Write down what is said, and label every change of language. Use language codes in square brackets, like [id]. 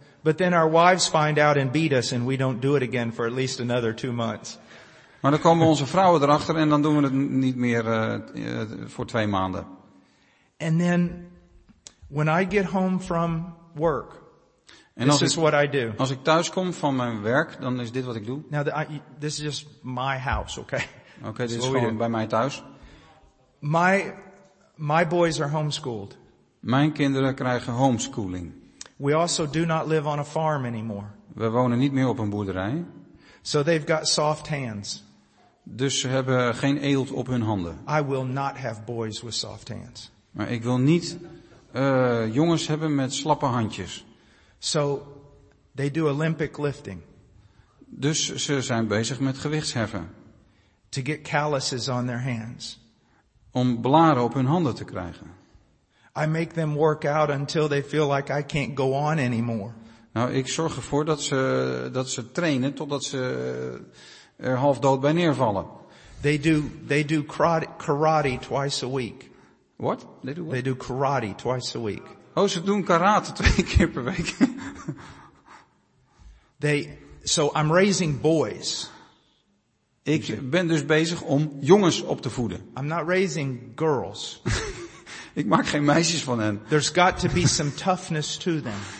[en] But then our wives find out and beat us and we don't do it again for at least another 2 months. [nl] Maar dan komen onze vrouwen erachter en dan doen we het niet meer voor 2 maanden. [en] And then when I get home from work, this is what I do. [nl] Als ik thuis kom van mijn werk, dan is dit wat ik doe. [en] Now this is just my house, okay? [nl] Okay, dit is gewoon bij mij thuis. [en] My boys are homeschooled. [nl] Mijn kinderen krijgen homeschooling. [en] We also do not live on a farm anymore. [nl] We wonen niet meer op een boerderij. [en] So they've got soft hands. [nl] Dus ze hebben geen eelt op hun handen. [en] I will not have boys with soft hands. [nl] Maar ik wil niet jongens hebben met slappe handjes. [en] So they do Olympic lifting. [nl] Dus ze zijn bezig met gewichtsheffen. [en] To get calluses on their hands. [nl] Om blaren op hun handen te krijgen. [en] I make them work out until they feel like I can't go on anymore. [nl] Nou, ik zorg ervoor dat ze trainen totdat ze er half dood bij neervallen. [en] They do karate twice a week. What? They do what? They do karate twice a week. [nl] Oh, ze doen karate 2 keer per week. [en] So I'm raising boys. [nl] Ik ben dus bezig om jongens op te voeden. [en] I'm not raising girls. [nl] Ik maak geen meisjes van hen. [en] There's got to be some toughness to them.